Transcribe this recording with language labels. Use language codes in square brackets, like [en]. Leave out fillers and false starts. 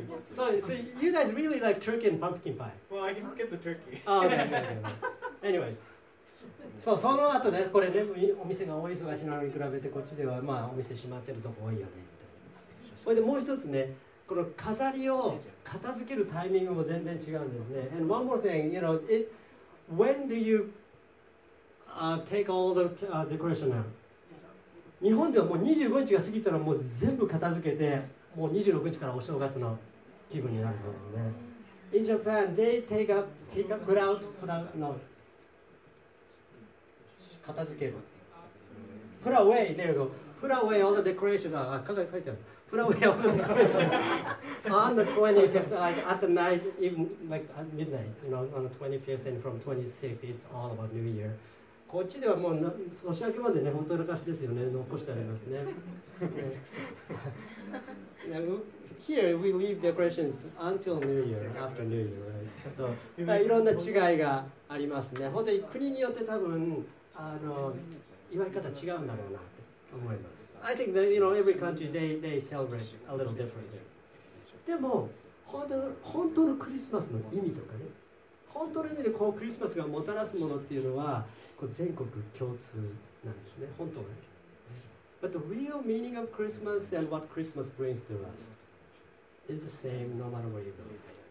[en] So you guys really like turkey and pumpkin pie? Well, I can skip the turkey. Oh, okay. Anyways. [ja] So, その後ね、これね、お店が大忙しなのに比べて、こっちでは、まあ、お店閉まってるとこ多いよね、みたいな。それでもう一つね、この飾りを片付けるタイミングも全然違うんですね。 [en] And one more thing, you know, it's when do you take all the decoration out? [ja] 日本ではもう25日が過ぎたらもう全部片付けて、もう26日からお正月の気分になるそうですね。 [en] In Japan, they take a put out, no. [ja] 片付ける。 [en] Put away, there you go. Put away all the decoration. [ja] あ、書いてある。 [en] Put away all the decoration. on the 25th, like at the night, even like at midnight, you know, on the 25th and from 26th, it's all about New Year. [ja] こっちではもう年明けまでね、ほとらかしですよね、残してありますね。 [en] Here we leave decorations until New Year, after New Year, right? [ja] So, いろんな違いがありますね。本当に国によって多分、祝い方違うんだろうなって思います。 [en] I think that, you know, every country, they celebrate a little differently. [ja] でも、本当のクリスマスの意味とかね、本当の意味でこのクリスマスがもたらすものっていうのはこう全国共通なんですね、本当は。 [en] But the real meaning of Christmas and what Christmas brings to us is the same no matter where you go.